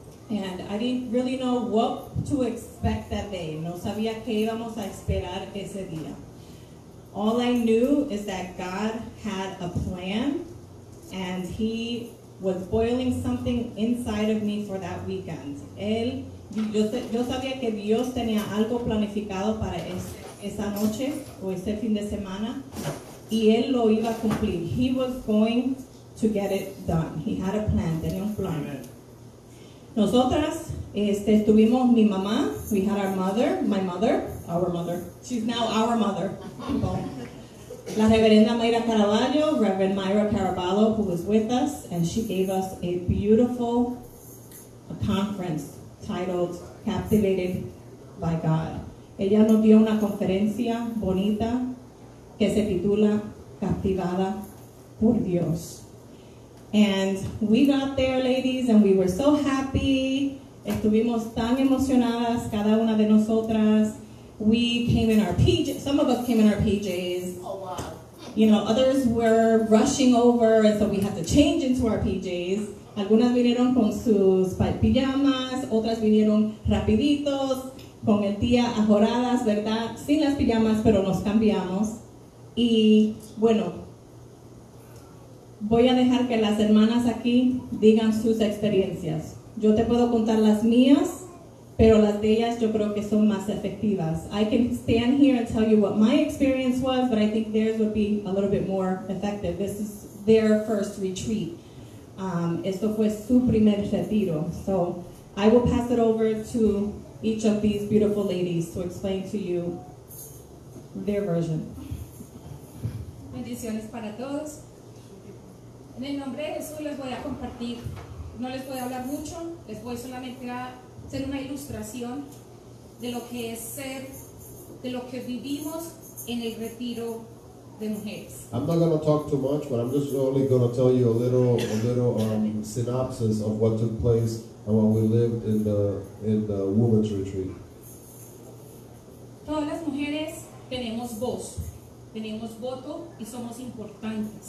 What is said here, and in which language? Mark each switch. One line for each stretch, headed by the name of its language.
English: And I didn't really know what to expect that day.
Spanish: No sabía qué íbamos a esperar ese día.
English: All I knew is that God had a plan, and He was boiling something inside of me for that weekend.
Spanish: Yo sabía que Dios tenía algo planificado para esa noche o ese fin de semana, y Él lo iba a cumplir.
English: He was going to get it done. He had a plan.
Spanish: Tenía un plan.
English: Amen.
Spanish: Nosotras estuvimos mi mamá.
English: We had our mother, my mother, our mother. She's now our mother. La Reverenda Mayra Caraballo, Reverend Myra Caraballo, who was with us, and she gave us a beautiful conference titled Captivated by God.
Spanish: Ella nos dio una conferencia bonita que se titula Captivada por Dios.
English: And we got there, ladies, and we were so happy.
Spanish: Estuvimos tan emocionadas, cada una de nosotras.
English: We came in our PJs. Some of us came in our PJs. Oh, wow. You know, others were rushing over, and so we had to change into our PJs.
Spanish: Algunas vinieron con sus pijamas, otras vinieron rapiditos, con el día ajoradas, ¿verdad? Sin las pijamas, pero nos cambiamos. Y bueno, voy a dejar que las hermanas aquí digan sus experiencias. Yo te puedo contar las mías, pero las de ellas yo creo que son más efectivas.
English: I can stand here and tell you what my experience was, but I think theirs would be a little bit more effective. This is their first retreat.
Spanish: Esto fue su primer retiro.
English: So I will pass it over to each of these beautiful ladies to explain to you their version.
Spanish: Bendiciones para todos. En el nombre de Jesús les voy a compartir. No les voy a hablar mucho, les voy solamente a hacer una ilustración de lo que es ser, de lo que vivimos en el retiro de mujeres.
English: I'm not going to talk too much, but I'm just only going to tell you a little synopsis of what took place and what we lived in the women's retreat.
Spanish: Todas las mujeres tenemos voz. Tenemos voto y somos importantes.